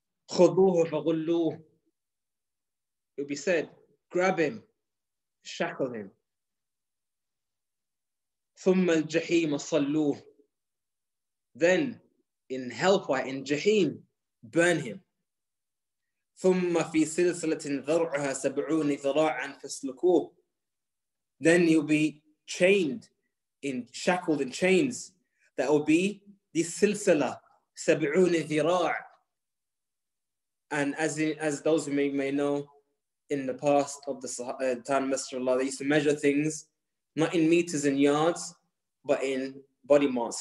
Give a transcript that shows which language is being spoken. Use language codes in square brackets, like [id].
[ar] خُضُوهُ فَغُلُّوهُ. [en] It would be said, grab him, shackle him. [ar] ثُمَّ الْجَحِيمَ صَلُّوهُ. [en] Then, in hellfire, in Jahim, burn him. [ar] ثم في سلسلة ذرعها 70 ذراعا فاسلكوه. [en] Then you'll be chained in, shackled in chains that will be the silsila 70 ذراع. And as those who may know, in the past of the time of Messenger of Allah, they used to measure things not in meters and yards, but in body mass.